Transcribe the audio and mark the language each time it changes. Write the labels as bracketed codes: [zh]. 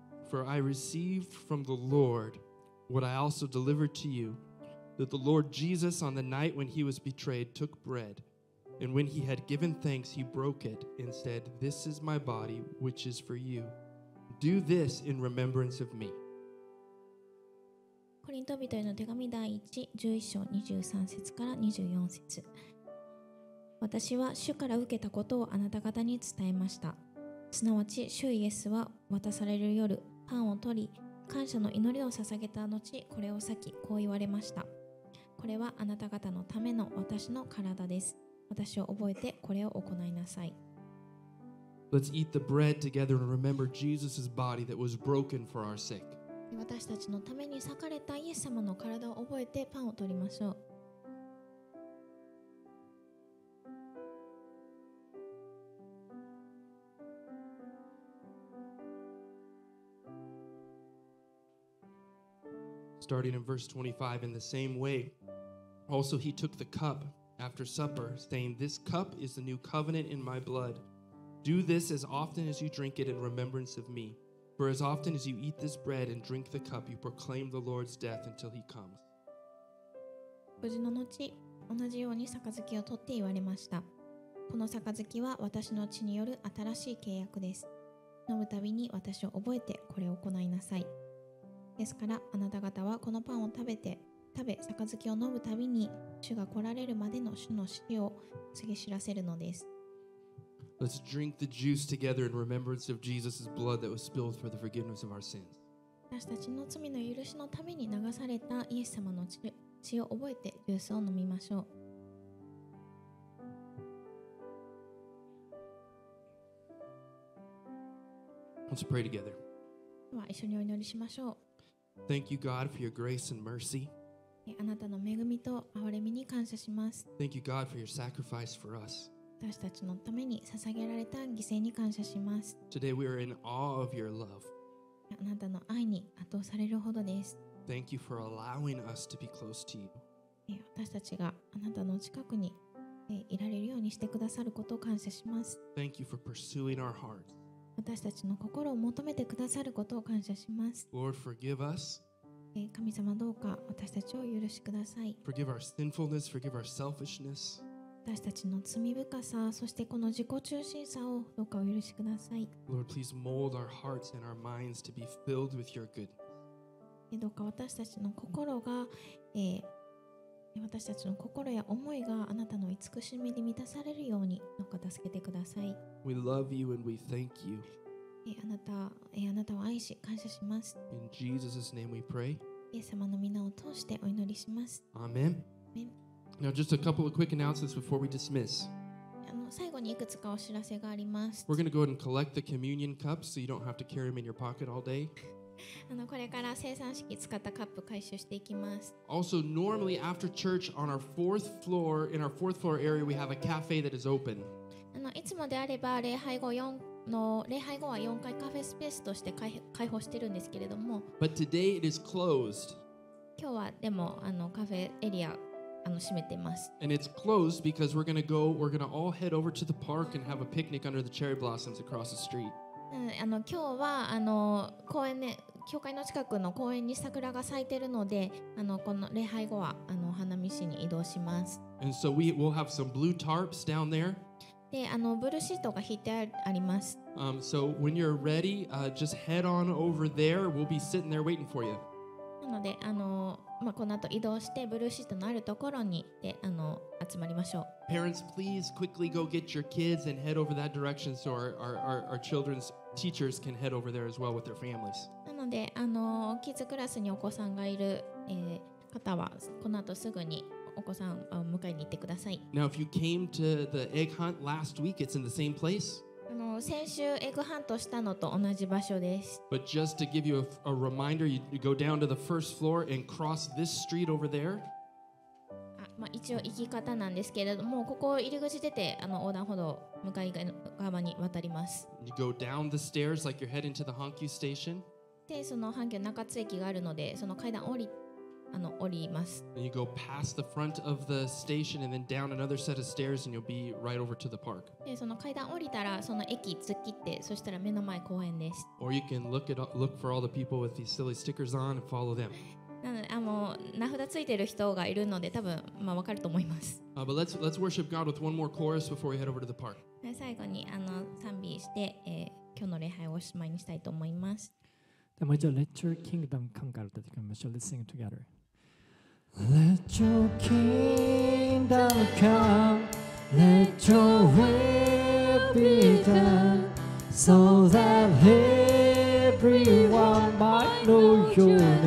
[en] For I received from the Lord what I also delivered to you, that the Lord Jesus, on the night when he was betrayed, took bread, and when he had given thanks, he broke it and said, This is my body, which is for you. Do this in remembrance of me. [ja] コリント人への手紙第1、11章23節から24節。私は主から受けたことをあなた方に伝えました。すなわち主イエスは渡される夜、パンを取り、感謝の祈りを捧げた後、これを裂き、こう言われました。これはあなた方のための私の体です。私を覚えてこれを行いなさい。 [en] Let's eat the bread together and remember Jesus' body that was broken for our sake. [ja] 私たちのために裂かれたイエス様の体を覚えてパンを取りましょう。 [en] Starting in verse 25, in the same way, also he took the cup after supper, saying, This cup is the new covenant in my blood. Do this as often as you drink it in remembrance of me. For as often as you eat this bread and drink the cup, you proclaim the Lord's death until he comes. [ja] 無事の後、同じように杯を取って言われました。この杯は私の血による新しい契約です。飲むたびに私を覚えてこれを行いなさい。ですからあなた方はこのパンを食べ杯を飲むたびに主が来られるまでの主の死を告げ知らせるのです。 [en] Let's drink the juice together in remembrance of Jesus' blood that was spilled for the forgiveness of our sins. [ja] 私たちの罪の許しのために流されたイエス様の血を覚えてジュースを飲みましょう。 [en] Let's pray together. [ja] では一緒にお祈りしましょう。 [en] Thank you, God, for your grace and mercy. [ja] あなたの恵みと憐れみに感謝します。 [en] Thank you, God, for your sacrifice for us. [ja] 私たちのために捧げられた犠牲に感謝します。 [en] Today we are in awe of your love. [ja] あなたの愛に圧倒されるほどです。 [en] Thank you for allowing us to be close to you. [ja] 私たちがあなたの近くにいられるようにしてくださることを感謝します。 [en] Thank you for pursuing our hearts. [ja] 私たちの心を求めてくださることを感謝します。 [en] Lord, forgive us. [ja] 神様どうか私たちを許しください。 [en] Forgive our sinfulness, forgive our selfishness. [ja] 私たちの罪深さ、そしてこの自己中心さをどうかお許しください。 [en] Lord, please mold our hearts and our minds to be filled with your goodness. [ja] どうか私たちの心が、私たちの心や思いがあなたの慈しみに満たされるようにどうか助けてください。 [en] We love you and we thank you. [ja] あなたを愛し感謝します。 [en] In Jesus' name we pray. [ja] イエス様の皆を通してお祈りします。 [en] Amen. Amen. Now just a couple of quick announcements before we dismiss. [ja] 最後にいくつかお知らせがあります。 [en] We're going to go ahead and collect the communion cups so you don't have to carry them in your pocket all day. [ja] これから聖餐式使ったカップ回収していきます。 [en] Also, normally after church on our fourth floor, in our fourth floor area, we have a cafe that is open. [ja] いつもであれば礼拝後4の礼拝後は4階カフェスペースとして開放してるんですけれども [en] But today it is closed. [ja] 今日はでもカフェエリア閉めてます [en] And it's closed because we're gonna all head over to the park and have a picnic under the cherry blossoms across the street. [ja] 今日は公園ね教会の近くの公園に桜が咲いてるのでこの礼拝後は花見市に移動します [en] And so we will have some blue tarps down there. [ja] でブルーシートが引いてあります。 [en] So when you're ready, just head on over there. We'll be sitting there waiting for you. [ja] なので、この後移動してブルーシートのあるところにで集まりましょう。 [en] Parents, please quickly go get your kids and head over that direction so our children's teachers can head over there as well with their families. [ja] なので、キッズクラスにお子さんがいる、方はこの後すぐにお子さんを迎えに行ってください。 [en] Now, if you came to the egg hunt last week, it's in the same place. [ja] 先週エグハントしたのと同じ場所です。 [en] But just to give you a reminder, you go down to the first floor and cross this street over there. [ja] あ、まあ、一応行き方なんですけれども、ここを入り口出て、あの横断歩道向かい側に渡ります。 [en] You go down the stairs like you're heading to the Hankyu station. [ja] で、その阪急中津駅があるので、その階段降り、あの降ります。 [en] And you go past the front of the station and then down another set of stairs and you'll be right over to the park. [ja] で、その階段降りたら、その駅突っ切って、そしたら目の前公園です。 [en] Or you can look for all the people with these silly stickers on and follow them. [ja] なので、あの、名札ついてる人がいるので、多分、まあ、分かると思います。 [en] But let's worship God with one more chorus before we head over to the park. [ja] 最後にあの賛美して、今日の礼拝をおしまいにしたいと思います。でもじゃあ、Let Your Kingdom come から歌ってみましょう。 [en] Let's sing together. Let Your Kingdom come, Let Your will be done, so that everyone might know Your name.